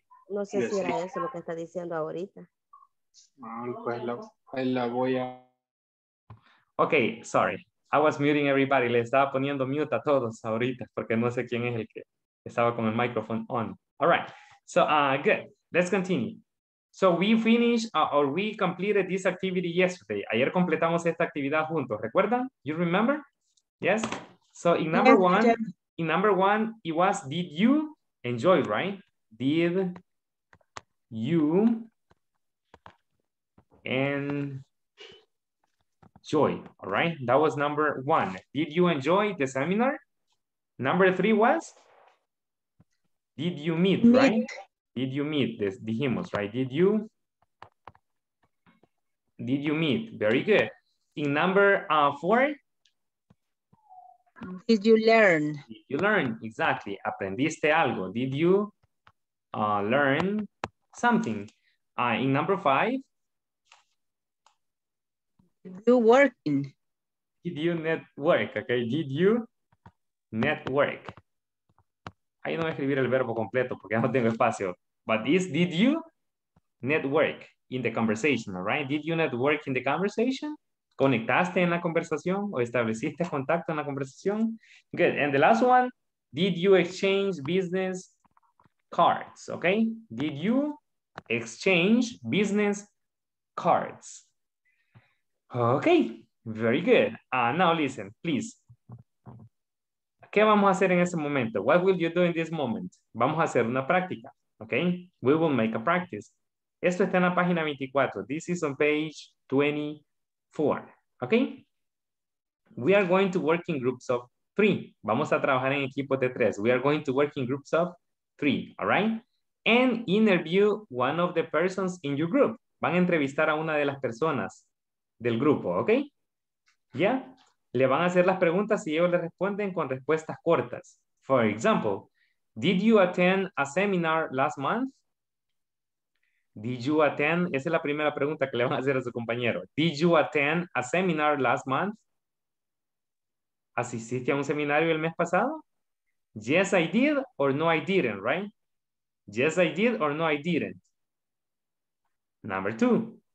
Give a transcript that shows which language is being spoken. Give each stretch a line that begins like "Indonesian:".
Spanish: No sé si era eso lo que está diciendo ahorita. Pues la voy a.
English: Ok, sorry. I was muting everybody.
Spanish: Le estaba poniendo mute a todos ahorita porque no sé quién es el que estaba con el micrófono on.
English: All right. So, good. Let's continue. So we finished or we completed this activity yesterday.
Spanish: Ayer completamos esta actividad juntos. ¿Recuerdan?
English: You remember? Yes? So in number one, it was did you enjoy, right? Did you enjoy? All right, that was number one. Did you enjoy the seminar? Number three was, did you meet, right? Did you meet this,
Spanish: dijimos,
English: right? Did you meet? Very good. In number four, did you learn? Did you learn, exactly.
Spanish: Aprendiste algo.
English: Did you learn something? In number five, did you working? Did you network? Okay, did you network?
Spanish: Ahí no voy a escribir el verbo completo porque no tengo espacio.
English: But this, did you network in the conversation, all right? Did you network in the conversation?
Spanish: ¿Conectaste en la conversación o estableciste contacto en la conversación?
English: Good, and the last one, did you exchange business cards, okay? Did you exchange business cards? Okay, very good. Now listen, please.
Spanish: ¿Qué vamos a hacer en ese momento?
English: What will you do in this moment?
Spanish: Vamos a hacer una práctica, okay?
English: We will make a practice.
Spanish: Esto está en la página 24.
English: This is on page 24. Okay? We are going to work in groups of three.
Spanish: Vamos a trabajar en equipos de tres.
English: We are going to work in groups of three. All right? And interview one of the persons in your group.
Spanish: Van a entrevistar a una de las personas del grupo. Okay? Yeah? Le van a hacer las preguntas y ellos le responden con respuestas cortas.
English: For example, did you attend a seminar last month? Did you attend?
Spanish: Esa es la primera pregunta que le van a hacer a su compañero.
English: Did you attend a seminar last month?
Spanish: ¿Asististe a un seminario el mes pasado?
English: Yes, I did or no, I didn't, right? Yes, I did or no, I didn't. Number two.